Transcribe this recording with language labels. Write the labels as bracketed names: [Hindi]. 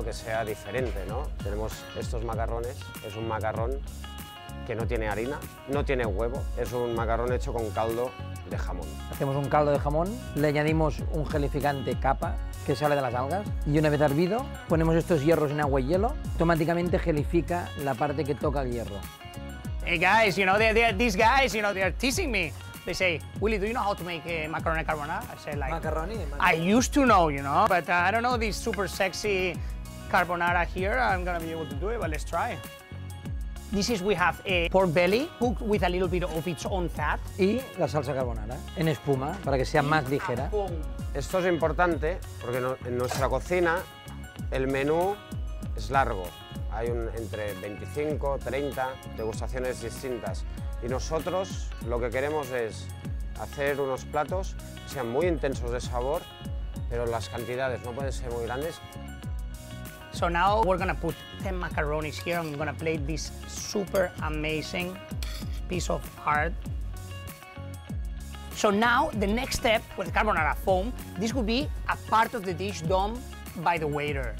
[Spanish] Que sea diferente, ¿no? Tenemos estos macarrones, es un macarrón que no tiene harina, no tiene huevo, es un macarrón hecho con caldo de jamón. Hacemos un caldo de jamón, le añadimos un gelificante capa que sale de las algas y una vez hervido ponemos estos hierros en agua y hielo, automáticamente gelifica la parte que toca el hierro. [English] Hey guys, you know, these guys, you know, they're teasing me. They say, Willy, do you know how to make macaroni carbonara? I say, like, macaroni. I used to know, you know, but I don't know this super sexy carbonara here. I'm gonna be able to do it, but let's try. This is, we have a pork belly cooked with a little bit of its own fat. [Spanish] Y la salsa carbonara en espuma para que sea más ligera. Esto es importante porque en nuestra cocina el menú es largo. Hay entre 25, 30 degustaciones distintas. Y nosotros lo que queremos es hacer unos platos que sean muy intensos de sabor, pero las cantidades no pueden ser muy grandes. [English] So now we're gonna put 10 macaronis here. I'm gonna plate this super amazing piece of art. So now the next step with the carbonara foam, this would be a part of the dish done by the waiter.